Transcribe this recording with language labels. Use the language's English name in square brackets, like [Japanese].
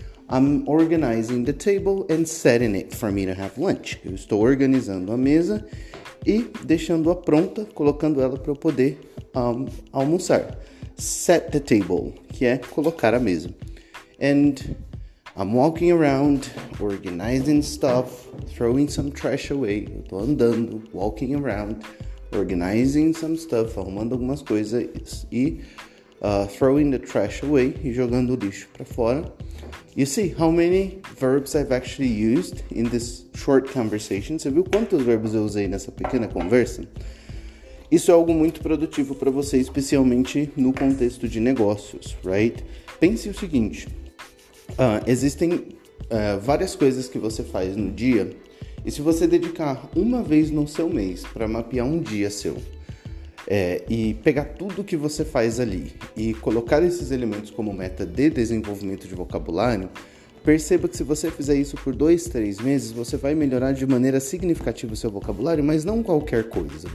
[English] I'm organizing the table and setting it for me to have lunch. [Portuguese] Eu estou organizando a mesa e deixando-a pronta, colocando ela para eu poder almoçar. [English] Set the table, [Portuguese] que é colocar a mesa. [English] And I'm walking around, organizing stuff, throwing some trash away. [Portuguese] Eu tô andando, [English] walking around, organizing some stuff, [Portuguese] arrumando algumas coisas e [English] throwing the trash away, [Portuguese] e jogando o lixo para fora. [English] You see how many verbs I've actually used in this short conversation? [Portuguese] Você viu quantos verbos eu usei nessa pequena conversa? Isso é algo muito produtivo para você, especialmente no contexto de negócios, right? Pense o seguinte, existem várias coisas que você faz no dia. E se você dedicar uma vez no seu mês para mapear um dia seu e pegar tudo que você faz ali e colocar esses elementos como meta de desenvolvimento de vocabulário, perceba que se você fizer isso por 2-3 meses, você vai melhorar de maneira significativa o seu vocabulário, mas não qualquer coisa.